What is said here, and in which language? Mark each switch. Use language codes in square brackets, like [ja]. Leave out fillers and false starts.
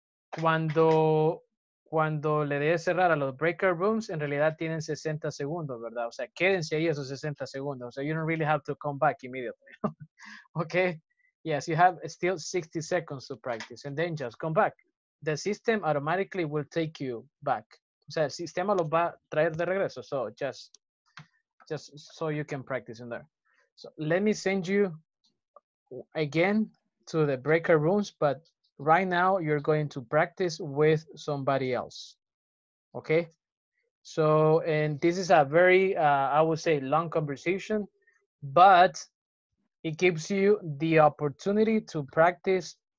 [es] Cuando le de cerrar a los breakout rooms, en realidad tienen 60 segundos, ¿verdad? O sea, quédense ahí esos 60 segundos. [en] So you don't really have to come back immediately. Okay? Yes, you have still 60 seconds to practice and then just come back. The system automatically will take you back. [es] O sea, el sistema los va a traer de regreso. [en] So just so you can practice in there. So let me send you again to the breakout rooms, but right now you're going to practice with somebody else. Okay, so, and this is a very I would say long conversation, but it gives you the opportunity to practice